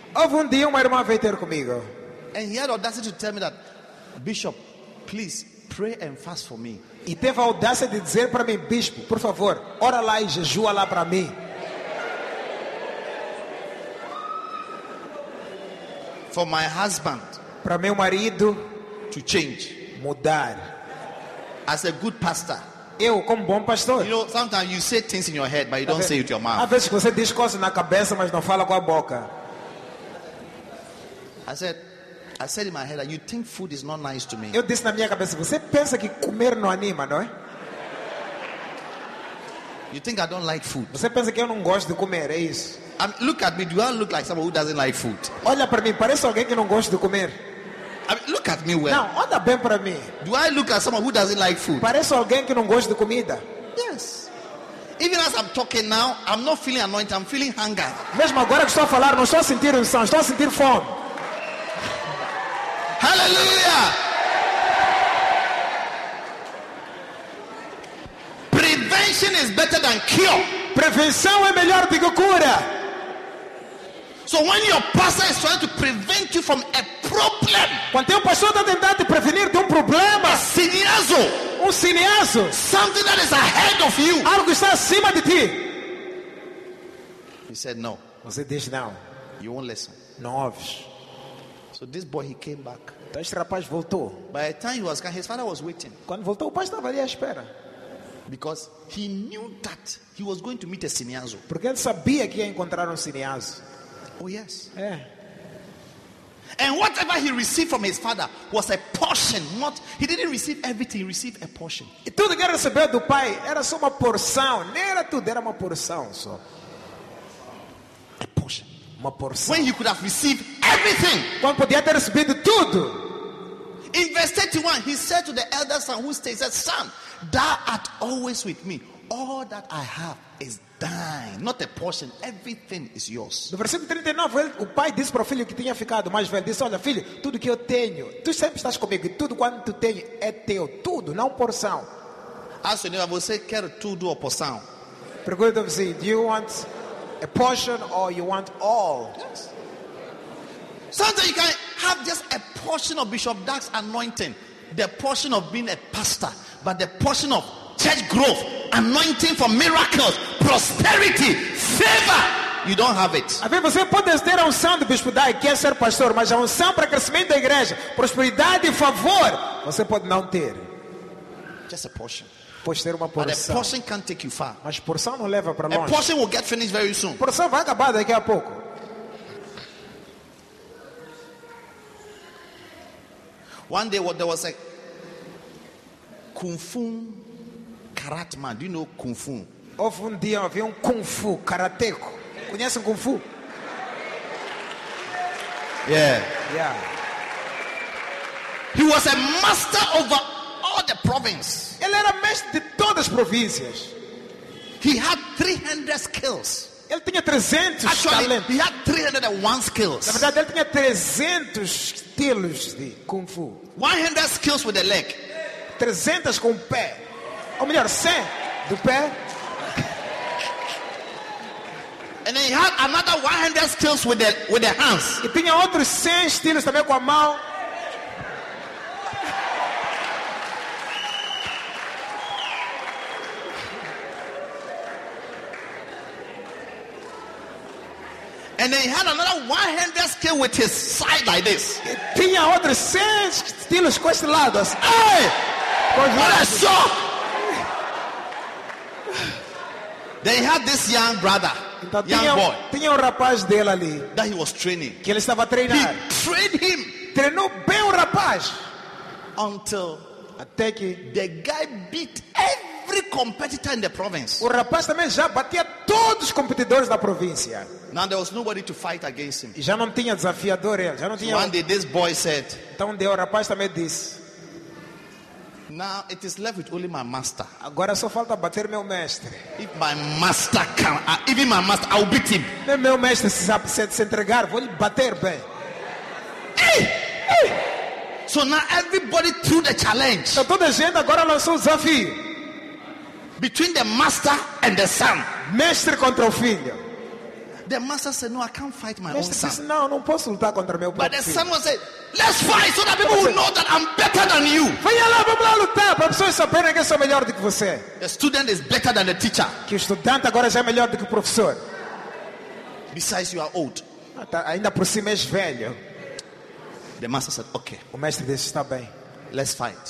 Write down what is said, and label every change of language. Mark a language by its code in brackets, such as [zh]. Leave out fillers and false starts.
[pt] Houve um dia uma irmã veio ter comigo. [en] And he had audacity to tell me that, Bishop, please pray and fast for me. [pt] E teve a audácia de dizer para mim, Bispo, por favor, ora lá e jejua lá para mim. [en] For my husband, [pt] para meu marido, [en] to change, [pt] mudar. [en] As a good pastor, [pt] eu como bom pastor. [en] You know, sometimes you say things in your head, but you don't say it to your mouth. [pt] Às vezes você diz coisas na cabeça, mas não fala com a boca. [en] I said in my head that you think food is not nice to me. [pt] Eu disse na minha cabeça, você pensa que comer não anima, não é? [en] You think I don't like food. [pt] Você pensa que eu não gosto de comer, é isso? [en] And look at me, do I look like someone who doesn't like food? [pt] Olha para mim, parece alguém que não gosta de comer. [en] Look at me well. [pt] Não, olha bem para mim. [en] Do I look at someone who doesn't like food? Parece alguém que não gosta de comida. Yes. Even as I'm talking now, I'm not feeling anointed, I'm feeling hunger. [pt] Mesmo agora que estou a falar, não estou a sentir unção, estou a sentir fome. [en] Hallelujah! Prevention is better than cure. [pt] Prevenção é melhor do que cura. [en] So when your pastor is trying to prevent you from a problem, [pt] quando teu pastor está tentando te prevenir de um problema, [en] um sinazo, something that is ahead of you, [pt] algo que está acima de ti. [en] He said no. [pt] Você diz não. [en] You won't listen. [pt] Não ouves. [en] So this boy, he came back. [pt] Então este rapaz voltou. [en] By the time he was gone, his father was waiting. [pt] Quando voltou, o pai estava ali à espera. [en] Because he knew that he was going to meet a sinazo. [pt] Porque ele sabia que ia encontrar um sinazo. [en] Oh yes. Yeah. And whatever he received from his father was a portion. Not he didn't receive everything. He received a portion. [pt] E tudo que ele recebeu do pai era só uma porção. Nem era tudo, era uma porção só. [en] A portion. [pt] Uma porção. [en] When he could have received everything. [pt] Quando podia ter recebido tudo. [en] In verse 31, he said to the elder son who stays, "Son, thou art always with me. All that I have is thine. Not a portion. Everything is yours." [pt] No versículo 39, o pai disse para o filho que tinha ficado mais velho, disse, olha filho, tudo que eu tenho, tu sempre estás comigo, e tudo quanto tu tenho é teu, tudo, não porção. Ah, senhor, você quer tudo ou porção? Pergunta-me, [en] do you want a portion or you want all? Yes. Sometimes you can have just a portion of Bishop Dax's anointing, the portion of being a pastor, but the portion of church growth, anointing for miracles, prosperity, favor, you don't have it. [pt] A ver, você pode ter a unção do Bispo Dax, quer ser pastor, mas a unção para crescimento da igreja, prosperidade e favor, você pode não ter. [en] Just a portion. [pt] Pode ter uma porção. [en] But a portion can't take you far. [pt] Mas porção não leva para longe. [en] A portion will get finished very soon. [pt] Porção vai acabar daqui a pouco. [en] One day, what there was a kung fu karate man. Do you know kung fu? [pt] Houve um dia havia um kung fu karateco. Conhece kung fu? [en] Yeah. He was a master over all the province. [pt] Ele era mestre de todas as províncias. [en] He had 300 skills. [pt] Ele tinha 300 talentos. [en] He had 301 skills. [pt] Na verdade, ele tinha 300 estilos de kung fu. [en] 100 skills with the leg. [pt] 300 com o pé. Ou melhor, 100 do pé. [en] And then he had another 100 skills with the hands. [pt] E tinha outros 100 estilos também com a mão. [en] And then he had another 100 skill with his side like this. [pt] Tinha outros 100 estilos com esse lado. Ei! Olha só! [en] Then he had this young brother. [pt] Então, [en] young [pt] tinha, [en] boy. [pt] Tinha um rapaz dele ali. [en] That he was training. [pt] Que ele estava treinando. [en] He trained him. [pt] Treinou bem o rapaz. [en] Until [pt] Até que [en] the guy beat every competitor in the province. [pt] O rapaz também já batia todos os competidores da província. [en] Now there was nobody to fight against him. [pt] E já não tinha desafiador ele. Já não tinha. [en] One day this boy said. [pt] Então deu o rapaz também disse. [en] Now it is left with only my master. [pt] Agora só falta bater meu mestre. [en] If my master can, even my master, I will beat him. [pt] Meu mestre se entregar, vou lhe bater bem. [en] Hey! So now everybody threw the challenge. [pt] Então toda a gente agora lançou o desafio. [en] Between the master and the son. [pt] Mestre contra o filho. [en] The master said, "No, I can't fight my own son." [pt] Disse, não, não posso lutar contra meu próprio. [en] But the son was said, "Let's fight so that people will know that I'm better than you." [pt] Foi lá, vamos lá lutar para pessoas saberem que sou melhor do que você. [en] The student is better than the teacher. [pt] Que o estudante agora já é melhor do que o professor. [en] Besides, you are old. [pt] Ainda por cima és velho. [en] The master said, "Okay." [pt] O mestre disse, está bem. [en] Let's fight.